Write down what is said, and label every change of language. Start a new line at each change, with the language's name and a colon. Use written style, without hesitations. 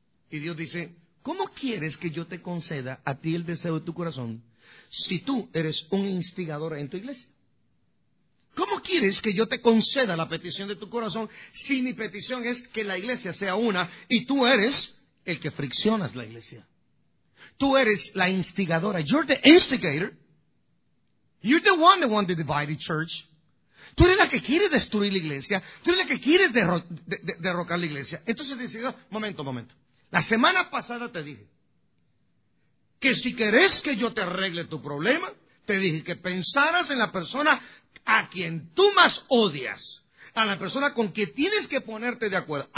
Spanish: Y Dios dice, ¿cómo quieres que yo te conceda a ti el deseo de tu corazón si tú eres un instigador en tu iglesia? ¿Cómo quieres que yo te conceda la petición de tu corazón si mi petición es que la iglesia sea una y tú eres el que friccionas la iglesia? Tú eres la instigadora.
English: You're the instigator. You're the one that wants to divide the church.
Spanish: Tú eres la que quiere destruir la iglesia. Tú eres la que quiere derrocar la iglesia. Entonces dice, oh, momento. La semana pasada te dije que si querés que yo te arregle tu problema, te dije que pensaras en la persona a quien tú más odias, a la persona con que tienes que ponerte de acuerdo.